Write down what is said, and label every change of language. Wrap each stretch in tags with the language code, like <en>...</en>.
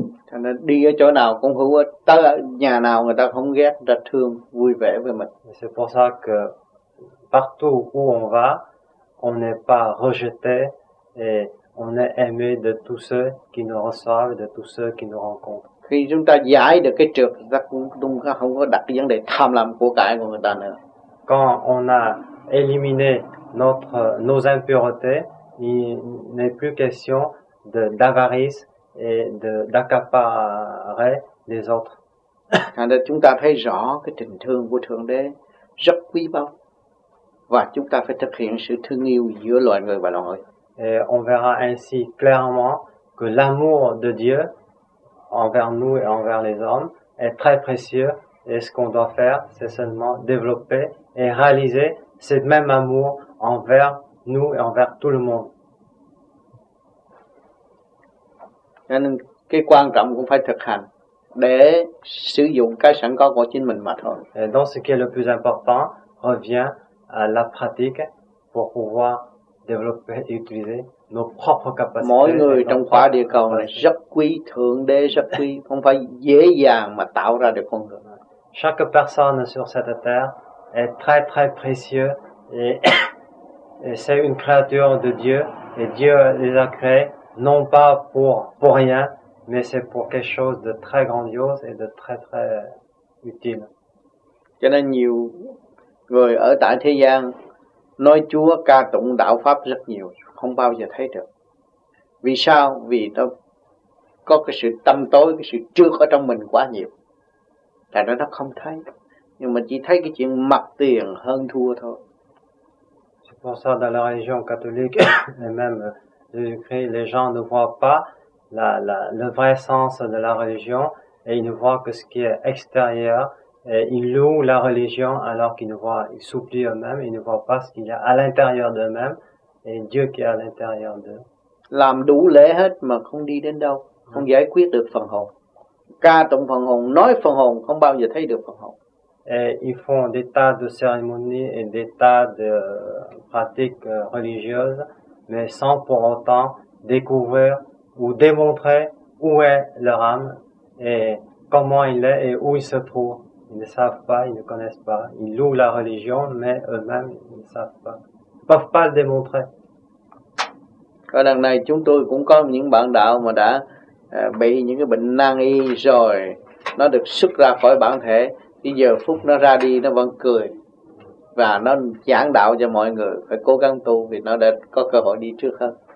<vi>Cho nên đi ở chỗ nào cũng hữu ích, tới nhà nào người ta không ghét, rất thương, vui vẻ với mình.</vi> <fr>C'est pour ça que partout où on va, on n'est pas rejeté et on est aimé de tous ceux qui nous reçoivent, de tous ceux qui nous rencontrent.</fr> <vi>Khi chúng ta giải được cái trược, ta cũng không có đặt vấn đề tham lam của cải của người ta nữa.</vi> <fr>Quand on a éliminé nos impuretés, il n'est plus question d'avarice et d'accaparer les autres.</fr> <vi>Thành ra chúng ta thấy rõ cái tình thương của Thượng Đế rất quý báu, và chúng ta phải thực hiện sự thương yêu giữa loài người và loài người.</vi> <fr>Et on verra ainsi clairement que l'amour de Dieu envers nous et envers les hommes est très précieux. Et ce qu'on doit faire, c'est seulement développer et réaliser ce même amour envers nous et envers tout le monde.</fr> <vi>Nên cái quan trọng cũng phải thực hành để sử dụng cái sẵn có của chính mình mà thôi.</vi> <fr>Et donc ce qui est le plus important revient à la pratique pour pouvoir développer et utiliser nos propres capacités.</fr> <vi>Mỗi người trong khóa địa cầu này rất quý, Thượng Đế rất quý, không phải dễ dàng mà tạo ra được con người.</vi> <fr>Chaque personne sur cette terre est très très précieux et c'est une créature de Dieu et Dieu les a créés non pas pour rien, mais c'est pour quelque chose de très grandiose et de très très utile.</fr> <vi>Cho nên nhiều người ở tại thế gian nói Chúa ca tụng đạo pháp rất nhiều, không bao giờ thấy được. Vì sao? Vì nó có cái sự tâm tối, cái sự trước ở trong mình quá nhiều. Tại nó không thấy, nhưng mà chỉ thấy cái chuyện mặt tiền hơn thua thôi.</vi> <fr>C'est pour ça dans la religion catholique et même Jésus-Christ, les gens ne voient pas le vrai sens de la religion et ils ne voient que ce qui est extérieur. Et ils louent la religion alors qu'ils ne voient, ils s'oublient eux-mêmes, ils ne voient pas ce qu'il y a à l'intérieur d'eux-mêmes et Dieu qui est à l'intérieur d'eux.</fr> <vi>Làm đủ lễ hết mà không đi đến đâu, không giải quyết được phần hồn. Ca tụng phần hồn, nói phần hồn, không bao giờ thấy được phần hồn.</vi> <fr>Et ils font des tas de cérémonies et des tas de pratiques religieuses, mais sans pour autant découvrir ou démontrer où est leur âme et comment il est et où il se trouve. Ils ne savent pas, ils ne connaissent pas. Ils louent la religion, mais eux-mêmes, ils ne savent pas. Ils ne peuvent pas le démontrer.</fr> <vi>Ở đằng này, chúng tôi cũng có những bạn đạo mà đã bị những cái bệnh nan y rồi. Nó được xuất ra khỏi bản thể. Thì giờ phút nó ra đi, nó vẫn cười. Và nó giảng đạo cho mọi người. Phải cố gắng tu vì nó đã có cơ hội đi trước hơn.</vi>